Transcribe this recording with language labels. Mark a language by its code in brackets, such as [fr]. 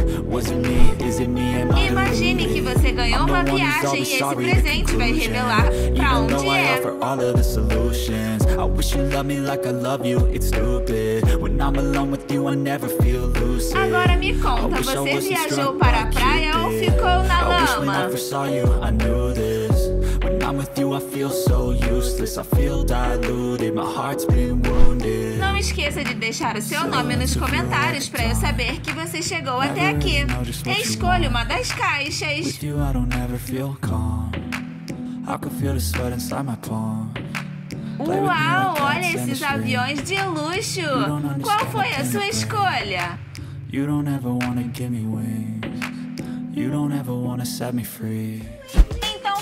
[pt] Imagine que você ganhou uma viagem e esse presente vai revelar pra onde é. [en] All of the solutions. I wish you loved me like I love you. It's stupid. When I'm alone with you, I never feel lucid. [pt] Agora me conta, você viajou para a praia ou ficou na lama? [en] I wish when I first saw you, I knew this. When I'm with you, I feel so useless. I feel diluted. My heart's been wounded. [pt] Não esqueça de deixar o seu nome nos comentários para eu saber que você chegou até aqui. Escolha uma das caixas. [en] With you, I don't ever feel calm. I can feel the sweat inside my palm. [pt] Uau, olha esses aviões de luxo. Qual foi a sua escolha? [en] You don't ever wanna give me wings. You don't ever wanna set me free. [pt] Então